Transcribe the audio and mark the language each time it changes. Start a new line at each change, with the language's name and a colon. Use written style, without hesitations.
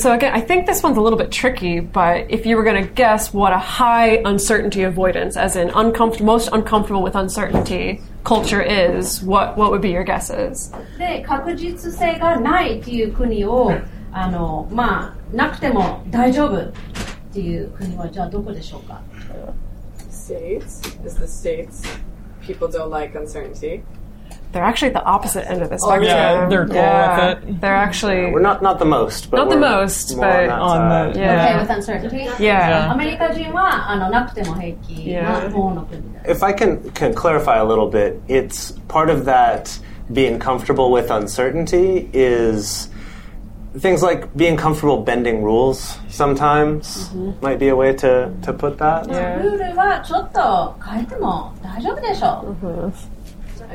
English: so again, I think this one's a little bit tricky, but if you were going to guess what a high uncertainty avoidance, as in most uncomfortable with uncertainty, culture is, what would be your guesses?
Japanese: で、確実性がないっていう国を、 まあ、なくても大丈夫っていう国はじゃあどこでしょうか?
English: States? Is the states? People don't like uncertainty. They're actually at the opposite end of the spectrum. Oh, yeah, they're cool with it. They're actually... Yeah, we're not the most, but not the most, but on the... Yeah. Okay, with uncertainty? Yeah.
Japanese: アメリカ人はなくても平気な方の国です。
English: If I can clarify a little bit, it's part of that being comfortable with uncertainty is... Things like being comfortable bending rules sometimes might be a way to put that. Yeah.